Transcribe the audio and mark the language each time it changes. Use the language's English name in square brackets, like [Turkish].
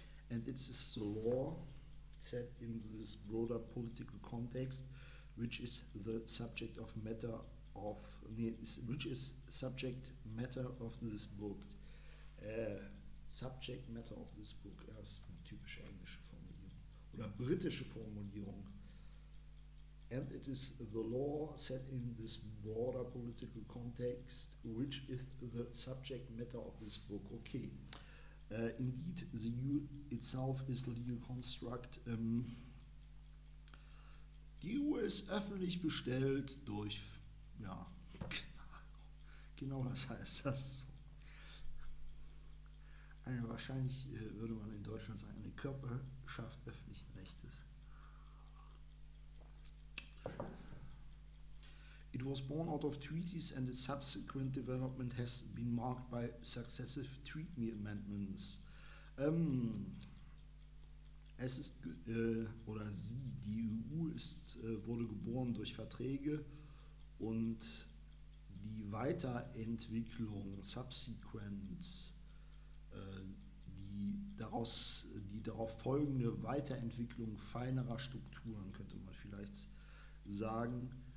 [English] And it is the law set in this broader political context which is the subject of matter of subject matter of this book. [German] Das ist eine typische englische Formulierung oder britische Formulierung. [English] And it is the law set in this broader political context, which is the subject matter of this book. Okay. Indeed, the EU itself is a legal construct. [German] Die EU ist öffentlich bestellt durch, ja, genau das heißt das. Eine, wahrscheinlich würde man in Deutschland sagen, eine Körperschaft öffentlichen Rechtes. [English] It was born out of treaties and its subsequent development has been marked by successive treaty amendments. [German] Es ist, oder sie, die EU ist, wurde geboren durch Verträge und die Weiterentwicklung, subsequent, die darauf folgende Weiterentwicklung feinerer Strukturen, könnte man vielleicht sagen,